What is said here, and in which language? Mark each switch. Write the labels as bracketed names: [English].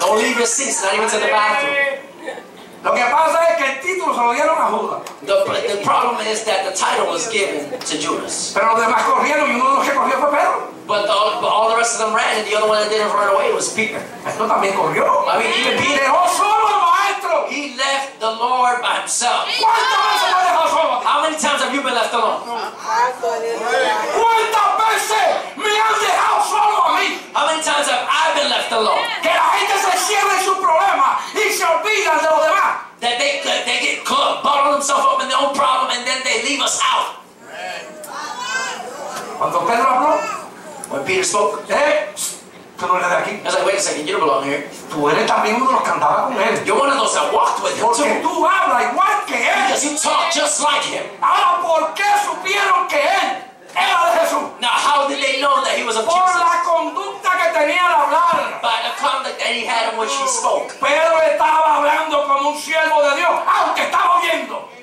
[English] Don't leave your seats, not even to the bathroom. [Spanish] Lo que pasa es que el título se lo dieron a Judas. [English] The problem is that the title was given to Judas. [Spanish] Pero los demás corrieron y uno de los que corrió fue Pedro. [English] But all the rest of them ran, and the other one that didn't run away was Peter. [Spanish] Esto también corrió. [English] I mean, even Peter. [Spanish] Dejó solo al maestro. [English] He left the Lord by himself. [Spanish] ¿Cuántas veces me dejó solo? [English] How many times have you been left alone? [Spanish] ¿Cuántas veces me han dejado solo a mí? [English] How many times have I been left alone? [Spanish] Que la gente se cierre su problema y se olvida de lo demás. [English] That they get caught, bottle themselves up in their own problem, and then they leave us out. [Spanish] Cuando Pedro habló. [English] When Peter spoke, [Spanish] tú no eres de aquí. [English] I was like, wait a second, you don't belong here. [Spanish] Tú eres también uno de los que andaba con él. [English] You're one of those that walked with him. [Spanish] Porque tú hablas igual que él. [English] Because you talk just like him. [Spanish] Ahora, ¿por qué supieron que él era de Jesús? [English] Now, how did they know that he was of [Spanish] por [English] Jesus? [Spanish] La conducta que tenía al hablar. [English] By the conduct that he had in which he spoke. [Spanish] Pedro estaba hablando como un siervo de Dios, aunque estaba viendo.